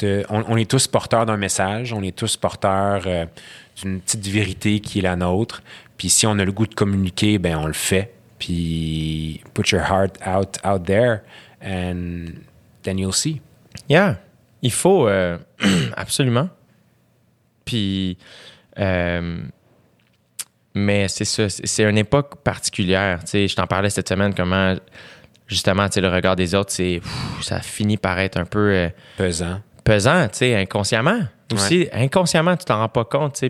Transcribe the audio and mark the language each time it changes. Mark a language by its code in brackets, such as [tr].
[fr] On est tous porteurs d'un message, on est tous porteurs d'une petite vérité qui est la nôtre. Puis si on a le goût de communiquer, ben on le fait. Puis [en] put your heart out there and then you'll see. [fr] Yeah, il faut absolument. Puis mais c'est ça, c'est une époque particulière. Tu sais, je t'en parlais cette semaine comment. Justement, tu sais, le regard des autres, c'est ça finit par être un peu... pesant. Pesant, tu sais, inconsciemment. Aussi, ouais. Inconsciemment, tu t'en rends pas compte, tu sais.